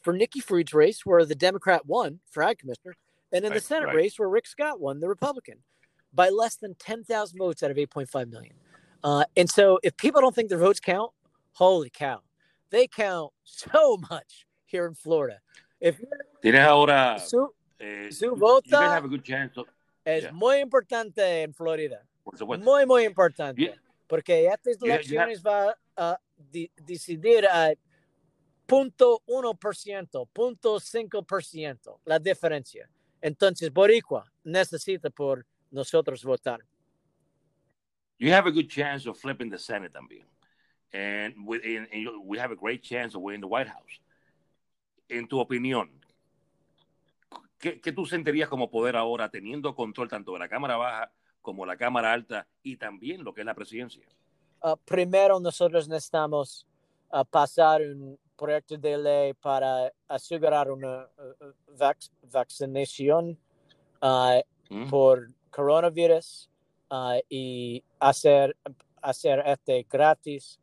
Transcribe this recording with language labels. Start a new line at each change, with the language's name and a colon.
English: For Nikki Fried's race, where the Democrat won for Ag Commissioner, and in the Senate race, where Rick Scott won, the Republican, by less than 10,000 votes out of 8.5 million. And so if people don't think their votes count, holy cow, they count so much here in Florida. If
Spanish: su vota
English: have a good chance of,
Spanish: es muy importante en Florida. Muy, muy importante. Yeah. Porque estas elecciones va decidir a 0.1%, 0.5%, la diferencia. Entonces, Boricua necesita por nosotros votar.
English: You have a good chance of flipping the Senate,
Spanish: también.
English: And we have a great chance of winning the White House.
Spanish: En tu opinión, ¿qué tú sentirías como poder ahora, teniendo control tanto de la Cámara Baja como la Cámara Alta y también lo que es la presidencia? Primero, nosotros necesitamos pasar un proyecto de ley para asegurar una vaccinación por coronavirus y hacer este gratis.